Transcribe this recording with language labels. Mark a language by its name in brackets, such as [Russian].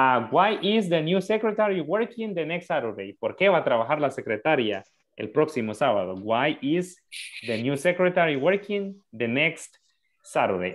[English] Why is the new secretary working the next Saturday? [Spanish] ¿Por qué va a trabajar la secretaria el próximo sábado? [English] Why is the new secretary working the next Saturday?